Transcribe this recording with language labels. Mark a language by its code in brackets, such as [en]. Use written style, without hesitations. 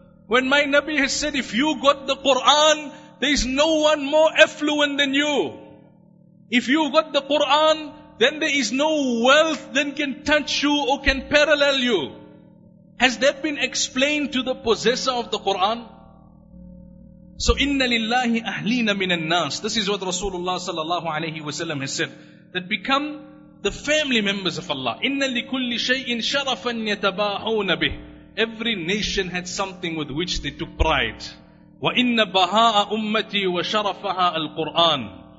[en] When my Nabi has said, if you got the Quran, there is no one more affluent than you. If you got the Quran, then there is no wealth that can touch you or can parallel you. Has that been explained to the possessor of the Quran? [ar] So, إِنَّ لِلَّهِ أَهْلِينَ مِنَ النَّاسِ. [en] This is what Rasulullah sallallahu alayhi wa sallam has said. That become the family members of Allah. [ar] إِنَّ لِكُلِّ شَيْءٍ شَرَفًا يَتَبَاهُونَ بِهِ. [en] Every nation had something with which they took pride. [ar] وَإِنَّ بَهَاءَ أُمَّتِي وَشَرَفَهَا الْقُرْآنِ.